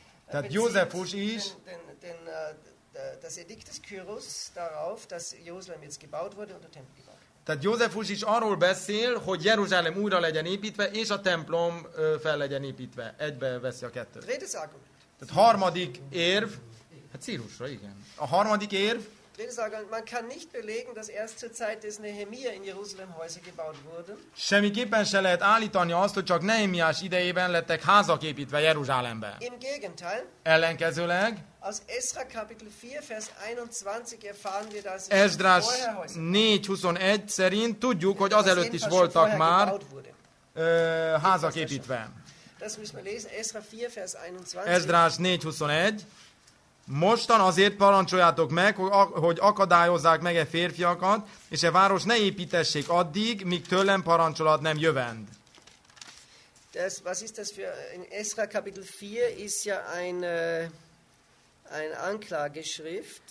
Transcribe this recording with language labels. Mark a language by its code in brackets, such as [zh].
[hu] Tehát Józsefus is arról beszél, hogy Jeruzsálem újra legyen építve, és a templom fel legyen építve. Egybe veszi a kettőt. Tehát harmadik érv, hát Círusra, igen. A harmadik érv, [de] man kann nicht belegen, dass erst zur Zeit des Nehemia in Jerusalem Häuser gebaut wurden. [hu] Semmiképpen se lehet állítani azt, hogy csak Nehemiás idejében lettek házak építve Jeruzsálemben. [de] Im Gegenteil. [hu] Ellenkezőleg. [de] Aus Esra Kapitel 4 Vers 21 erfahren wir, dass [hu] Esdras 4:21 szerint tudjuk, hogy azelőtt is voltak már házak építve. [de] Das müssen wir lesen, Esra 4 Vers 21. [hu] Esdras 4:21. Mostan azért parancsoljátok meg, hogy akadályozzák meg e férfiakat, és e város ne építessék addig, míg tőlem parancsolat nem jövend. [de] Das, was ist das für, in Esra Kapitel 4 ist ja ein Anklageschrift.